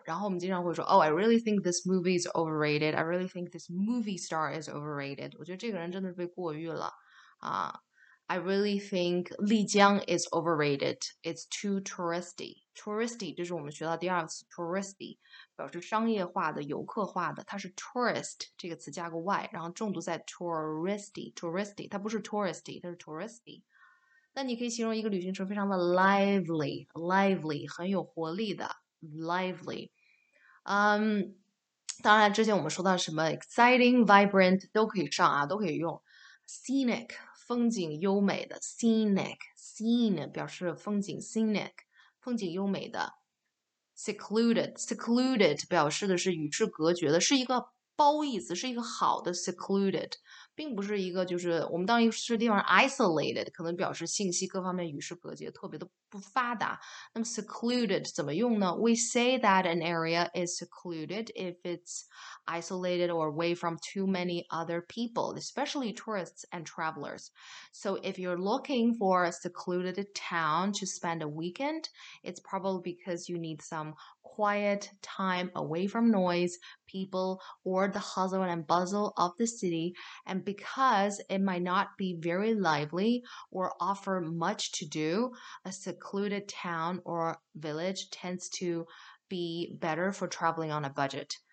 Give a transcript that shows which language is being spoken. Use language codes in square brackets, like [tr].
[zh] 然后我们经常会说， [en] Oh, I really think this movie is overrated. I really think this movie star is overrated. [zh] 我觉得这个人真的是被过誉了啊。 [en] I really think 丽江 is overrated. It's too touristy. [zh] Touristy 这是我们学到第二个词，touristy 表示商业化的、游客化的。它是 tourist 这个词加个 y，然后重读在 touristy. Touristy 它不是 touristy，它是 touristy。那你可以形容一个旅行城非常的 lively，lively 很有活力的 lively。当然之前我们说到什么 exciting、vibrant 都可以上啊，都可以用 scenic。风景优美的 scenic 表示风景 scenic 风景优美的 secluded 表示的是与世隔绝的，是一个褒义词，是一个好的 secluded，并不是一个，就是我们当一是地方 isolated，可能表示信息各方面与世隔绝，特别的不发达。那么 secluded 怎么用呢？ [en] We say that an area is secluded if it's isolated or away from too many other people, especially tourists and travelers. So if you're looking for a secluded town to spend a weekend, it's probably because you need some quiet time away from noise, people, or the hustle and bustle of the city, and because it might not be very lively or offer much to do, a secluded town or village tends to be better for traveling on a budget.